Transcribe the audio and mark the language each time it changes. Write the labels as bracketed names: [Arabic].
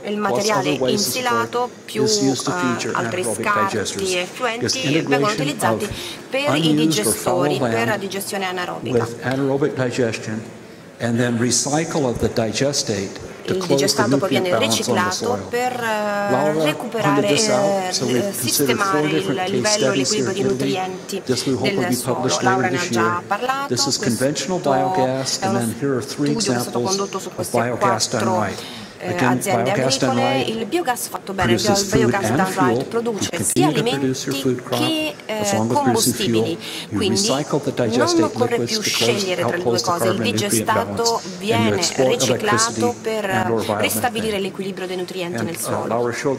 [Italian] il materiale insilato più altri scarti e effluenti vengono utilizzati per i digestori, per la digestione anaerobica. [English] And then recycle of the digestate to [Italian] il digestato poi viene riciclato per recuperare, sistemare il livello equilibrio di nutrienti del suolo. Laura ne ha già parlato. [English] This is conventional biogas, and then here are three examples of biogas done right. [Italian] Aziende agricole, il biogas fatto bene, il biogas [English] done right [Italian] produce sia alimenti che combustibili, quindi non occorre più scegliere tra le due cose, il digestato viene riciclato per ristabilire l'equilibrio dei nutrienti nel suolo.